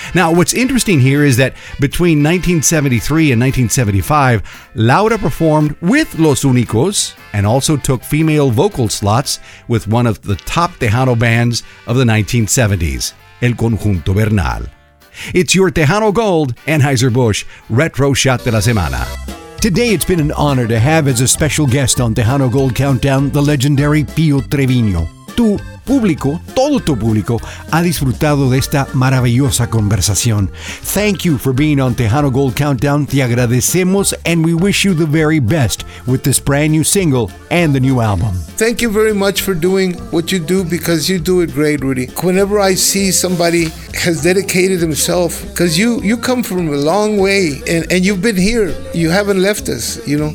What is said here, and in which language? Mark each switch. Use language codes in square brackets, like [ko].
[en] Now, what's interesting here is that between 1973 and 1975, Laura performed with Los Únicos and also took female vocal slots with one of the top Tejano bands of the 1970s, El Conjunto Bernal. It's your Tejano Gold, Anheuser-Busch, Retro Shot de la Semana. Today, it's been an honor to have as a special guest on Tejano Gold Countdown the legendary Pío Treviño. [es] Tu público, todo tu público, ha disfrutado de esta maravillosa conversación. [en] Thank you for being on Tejano Gold Countdown. [es] Te agradecemos [en] and we wish you the very best with this brand new single and the new album. Thank you very much for doing what you do, because you do it great, Rudy. Whenever I see somebody has dedicated himself, because you come from a long way and you've been here, you haven't left us, you know.